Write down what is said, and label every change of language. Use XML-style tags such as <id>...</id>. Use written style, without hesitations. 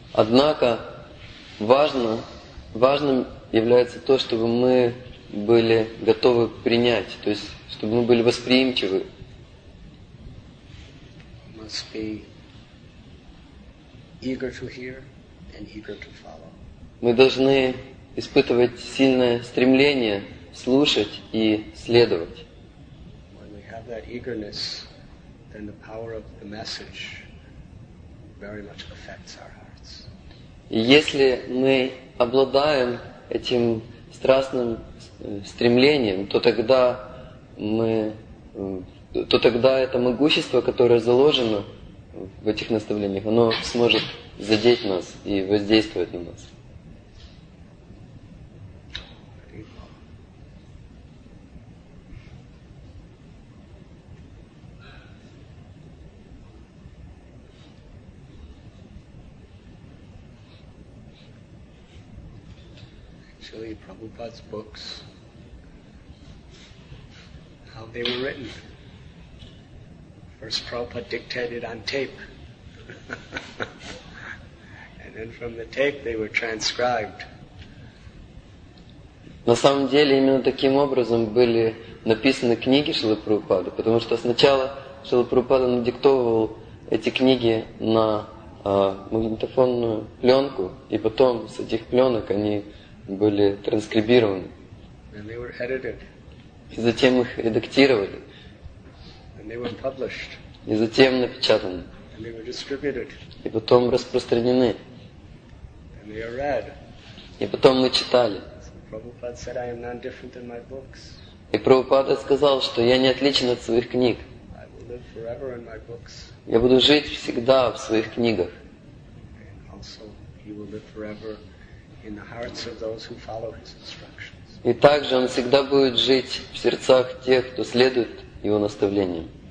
<ru>Однако важным является то, чтобы мы были готовы принять, то есть чтобы мы были восприимчивы.</ru> <en>Must be eager to hear. and eager to follow.</en> <ru>Мы должны испытывать сильное стремление слушать и следовать.</ru> <en>When we have that eagerness, then the power of the message very much affects our hearts.</en> <ru>Если мы обладаем этим страстным стремлением, то тогда это могущество, которое заложено в этих наставлениях, оно сможет задеть нас и воздействовать на нас.</ru> <en>Actually, Prabhupada's books, how they were written. First Prabhupada dictated on tape. And then from the tape they were transcribed.</en> <ru>На самом деле именно таким образом были написаны книги Шрилы Прабхупады, потому что сначала Шрила Прабхупада надиктовывал эти книги на магнитофонную пленку, и потом с этих пленок они были транскрибированы.</ru> <en>And they were edited.</en> <ru>И затем их редактировали.</ru> <en>And they were published.</en> <ru>И затем напечатаны.</ru> <en>And they were distributed.</en> <ru>И потом распространены.</ru> <en>And they are read.</en> <ru>И потом мы читали.</ru> <en>So Prabhupada said, I am none different than my books.</en> <ru>И Прабхупада сказал, что я не отличен от своих книг.</ru> <en>I will live forever in my books.</en> <ru>Я буду жить всегда в своих книгах.</ru> <en>And also, he will live forever in the hearts of those who follow his instructions.</en> <ru>И также он всегда будет жить в сердцах тех, кто следует его наставлениям.</ru>